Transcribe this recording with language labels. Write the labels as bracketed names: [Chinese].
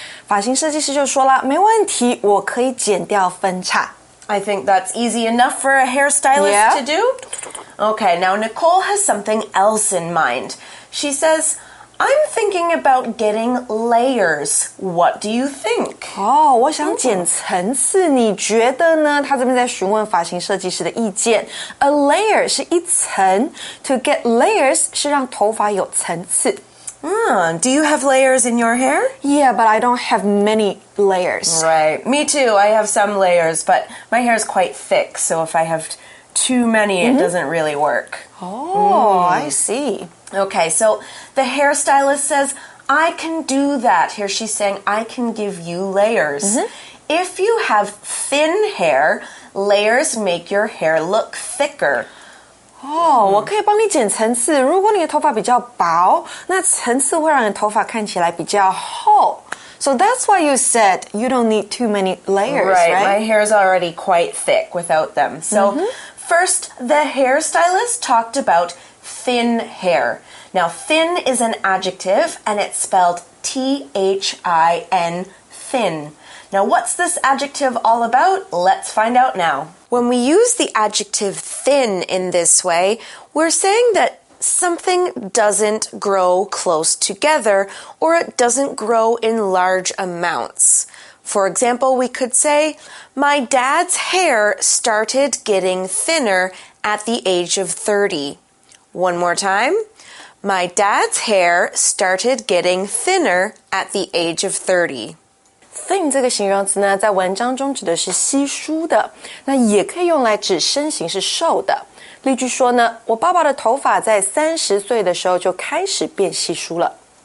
[Chinese] 发型设计师就说了，没问题，我可以剪掉分叉。 [English] I think that's easy enough for a hairstylist to do. Okay, now Nicole has something else in mind. She says... I'm thinking about getting layers. What do you think? [Chinese] 我想剪层次。你觉得呢？他这边在询问发型设计师的意见。 [English] A layer [Chinese] 是一层。 [English] To get layers [Chinese] 是让头发有层次。 [English] Do you have layers in your hair? Yeah, but I don't have many layers. Right. Me too. I have some layers, but my hair is quite thick. So if I have too many, it doesn't really work. I see. Okay, so the hairstylist says, I can do that. Here she's saying, I can give you layers. If you have thin hair, layers make your hair look thicker. [Chinese] 我可以帮你剪层次。如果你的头发比较薄，那层次会让你的头发看起来比较厚。 [English] So that's why you said you don't need too many layers, right? Right, my hair is already quite thick without them. So first, the hairstylist talked about... thin hair. Now, thin is an adjective, and it's spelled T-H-I-N, thin. Now, what's this adjective all about? Let's find out now. When we use the adjective thin in this way, we're saying that something doesn't grow close together, or it doesn't grow in large amounts. For example, we could say, my dad's hair started getting thinner at the age of 30. One more time. My dad's hair started getting thinner at the age of 30. [Chinese] Thin 这个形容词呢，在文章中指的是稀疏的，那也可以用来指身形是瘦的。例句说呢，我爸爸的头发在30岁的时候就开始变稀疏了。